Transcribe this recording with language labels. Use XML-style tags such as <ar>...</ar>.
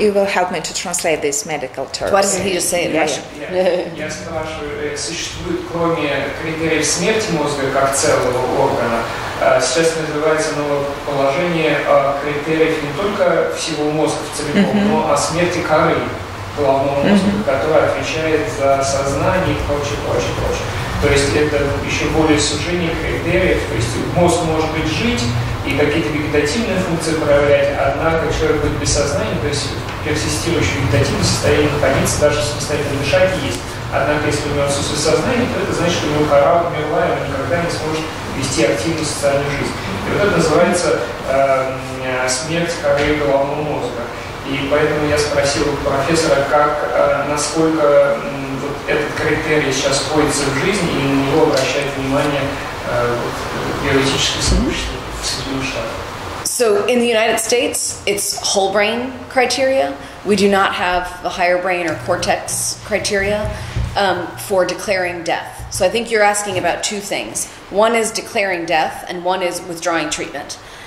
<en>You will help me to translate this medical term. Why doesn't he just say it?</en> <ru>Я спрашиваю, существует кроме критериев смерти мозга как целого органа, сейчас называется новое положение о критериях не только всего мозга целиком, но о смерти коры головного мозга, которая отвечает за сознание и прочее. То есть это еще более сужение критериев, то есть мозг может быть жить и какие-то вегетативные функции проявлять, однако человек будет без сознания, то есть в персистирующем вегетативном состоянии находиться, даже самостоятельно дышать есть. Однако если у него отсутствует сознание, то это значит, что у него кора умерла, и он никогда не сможет вести активную социальную жизнь. И вот это называется смерть коры головного мозга. И поэтому я спросил у профессора, насколько вот этот критерий сейчас вводится в жизнь, и на него обращает внимание биоэтическое сообщество.</ru> <en>So in the United States, it's whole brain criteria. We do not have the higher brain or cortex criteria for declaring death. So I think you're asking about two things. One is declaring death, and one is withdrawing treatment.</en>